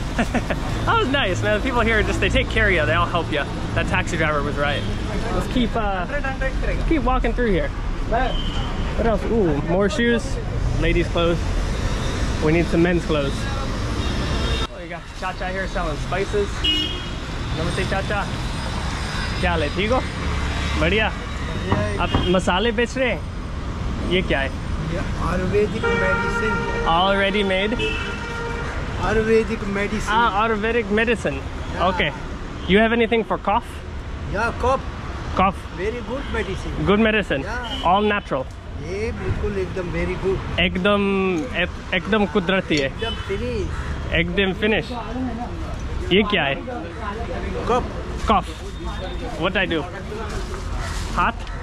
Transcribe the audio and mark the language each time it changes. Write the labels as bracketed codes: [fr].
[en] That was nice, man. The people here, just they take care of you. They all help you. That taxi driver was right. Let's keep walking through here. What else? Ooh, more shoes. Ladies' clothes. We need some men's clothes. Oh, you got Cha-Cha here selling spices. [hi] नमस्ते, चाचा. क्या ले, ठीक हो? बढ़िया. आप मसाले बेच रहे हैं? ये क्या है? [en] Ayurvedic medicine. Already made? Ayurvedic medicine. Ah, Ayurvedic medicine. Yeah. Okay. You have anything for cough? Yeah, cough. Cough. Very good medicine. Good medicine. Yeah. All natural. Yeah, [hi] bilkul ekdam [en] very good. [hi] एकदम कुदरती है. Ekdam finish. एकदम finish. ये क्या है? [en] Cough. Cough. What I do? Heart?